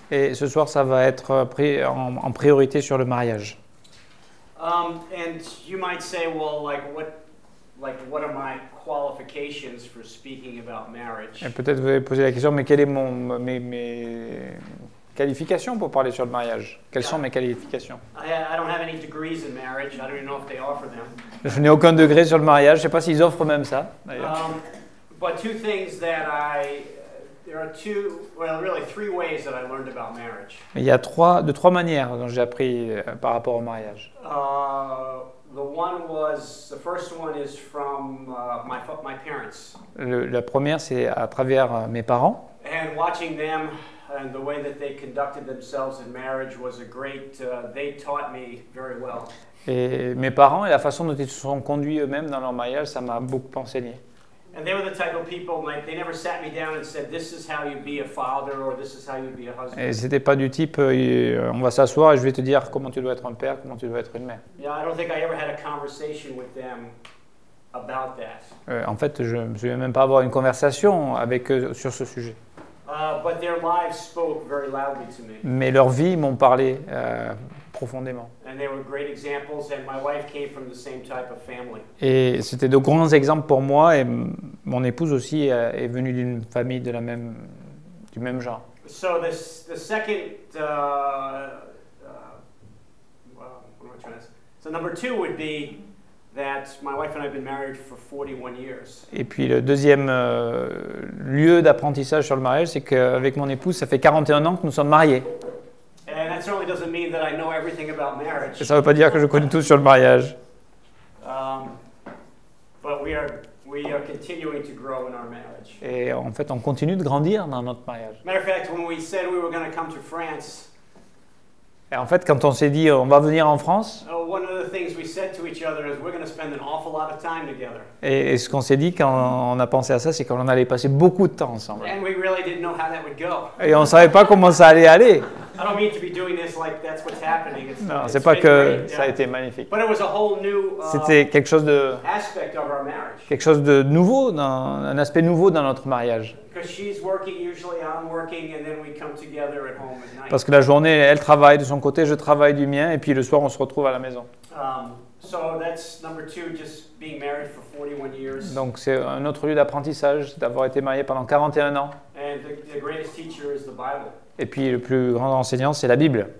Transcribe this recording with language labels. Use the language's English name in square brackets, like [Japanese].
[French] Et ce soir, ça va être pris en priorité sur le mariage. [English] And you might say, well, what are my qualifications for speaking about marriage? [French] Et peut-être vous allez poser la question, mais quelles sont mes qualifications pour parler sur le mariage? Quelles sont mes qualifications? [English] I don't have any degrees in marriage. I don't even know if they offer them. [French] Je n'ai aucun degré sur le mariage. Je ne sais pas s'ils offrent même ça, d'ailleurs. [English] But two things that three ways that I learned about marriage. [French] Il y a trois manières dont j'ai appris par rapport au mariage. [English] The first one is from my parents. [French] La première, c'est à travers mes parents. [English] And watching them and the way that they conducted themselves in marriage was a great. They taught me very well. [French] Et mes parents et la façon dont ils se sont conduits eux-mêmes dans leur mariage, ça m'a beaucoup enseigné. [English] And they were the type of people, like, they never sat me down and said, this is how you be a father, or this is how you be a husband. [French] Et c'était pas du type, on va s'asseoir et je vais te dire comment tu dois être un père, comment tu dois être une mère. [English] Yeah, I don't think I ever had a conversation with them about that. [French] En fait, je ne me souviens même pas avoir une conversation avec eux sur ce sujet. [English] But their lives spoke very loudly to me. [French] Mais leurs vies m'ont parlé profondément. [English] And they were great examples, and my wife came from the same type of family. [French] Et c'était de grands exemples pour moi, et mon épouse aussi est venue d'une famille du même genre. [English] So the second, what am I trying to say? So number two would be that my wife and I have been married for 41 years. [French] Et puis le deuxième lieu d'apprentissage sur le mariage, c'est qu'avec mon épouse, ça fait 41 ans que nous sommes mariés. [English] And that certainly doesn't mean that I know everything about marriage. [French] Et ça ne veut pas dire que je connais tout sur le mariage. [English] But we are continuing to grow in our marriage. [French] Et en fait, on continue de grandir dans notre mariage. [English] Matter of fact, when we said we were going to come to France. [French] Et en fait, quand on s'est dit on va venir en France. [English] One of the things we said to each other is we're going to spend an awful lot of time together. [French] Et ce qu'on s'est dit quand on a pensé à ça, c'est qu'on allait passer beaucoup de temps ensemble. [English] And we really didn't know how that would go. [French] Et on savait pas comment ça allait aller. [English] I don't mean to be doing this like that's what's happening. [French] Non, c'est pas que ça a été magnifique. [English] But it was a whole new. [French] C'était quelque chose de. [English] Aspect of our marriage. [French] Quelque chose de nouveau, un aspect nouveau dans notre mariage. [English] Because she's working, usually I'm working, and then we come together at home at night. [French] Parce que la journée, elle travaille de son côté, je travaille du mien, et puis le soir, on se retrouve à la maison. [English] So that's number two, just being married for 41 years. [French] Donc c'est un autre lieu d'apprentissage, d'avoir été marié pendant 41 ans. [English] And the greatest teacher is the Bible. [French] Et puis le plus grand enseignant, c'est la Bible.